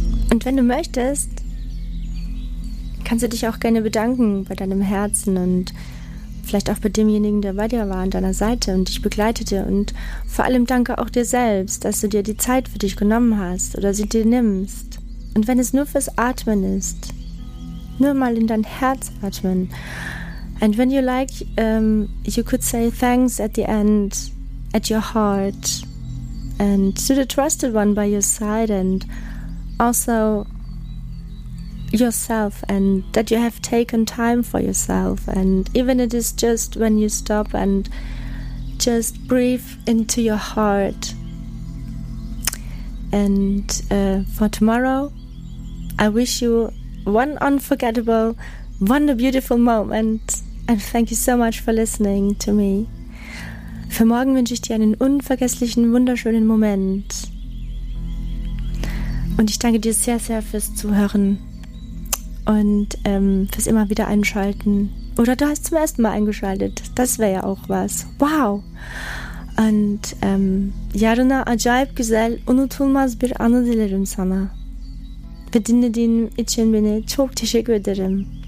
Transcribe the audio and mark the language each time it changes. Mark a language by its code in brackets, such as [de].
[de] Und wenn du möchtest, kannst du dich auch gerne bedanken bei deinem Herzen und vielleicht auch bei demjenigen, der bei dir war, an deiner Seite und dich begleitete. Und vor allem danke auch dir selbst, dass du dir die Zeit für dich genommen hast oder sie dir nimmst. Und wenn es nur fürs Atmen ist, nur mal in dein Herz atmen. [en] And when you like, you could say thanks at the end, at your heart, and to the trusted one by your side, and also yourself, and that you have taken time for yourself, and even it is just when you stop and just breathe into your heart. And for tomorrow, I wish you one unforgettable, one beautiful moment, and thank you so much for listening to me. [de] Für morgen wünsche ich dir einen unvergesslichen, wunderschönen Moment. Und ich danke dir sehr, sehr fürs Zuhören und fürs immer wieder einschalten. Oder du hast zum ersten Mal eingeschaltet. Das wäre ja auch was. Wow! [tr] Und yarına acayip güzel, unutulmaz bir anı dilerim sana. Ve dinlediğin için beni çok teşekkür ederim.